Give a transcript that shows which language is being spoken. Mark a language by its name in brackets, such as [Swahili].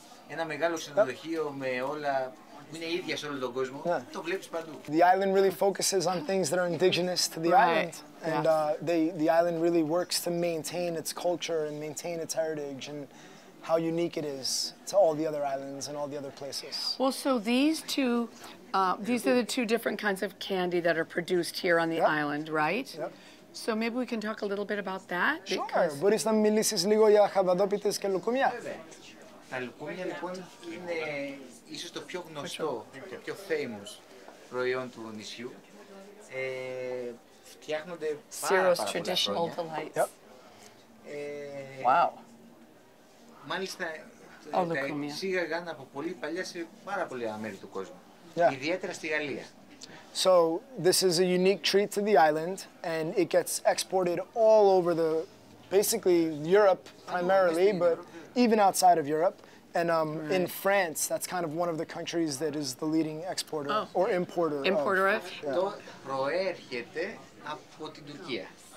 [Greek] Ένα μεγάλο ξενοδοχείο με όλα, είναι ίδια σε όλο τον κόσμο, το βλέπεις παντού. [English] The island really focuses on things that are indigenous to the island. And the island really works to maintain its culture and maintain its heritage and how unique it is to all the other islands and all the other places. Well, so these are the two different kinds of candy that are produced here on the island, right? Yep. So maybe we can talk a little bit about that. Sure. [Greek] Μπορείς να μιλήσεις λίγο για χαβαδόπιτες και λουκούμια. Τα λουκούμια λοιπόν είναι ίσως το πιο γνωστό, το πιο famous προϊόν του νησιού. Φτιάχνονται πάρα πολλά χρόνια. [English] Syros traditional delights. Wow. [Greek] Μάλιστα, τα εισήγαγαν από πολύ παλιά σε πάρα πολλά μέρη του κόσμου. Ιδιαίτερα στη Γαλλία. [English] So this is a unique treat to the island, and it gets exported all over the, basically Europe primarily, but even outside of Europe. And in France, that's kind of one of the countries that is the leading exporter or importer. Importer of. [Greek] Το προέρχεται από την Τουρκία.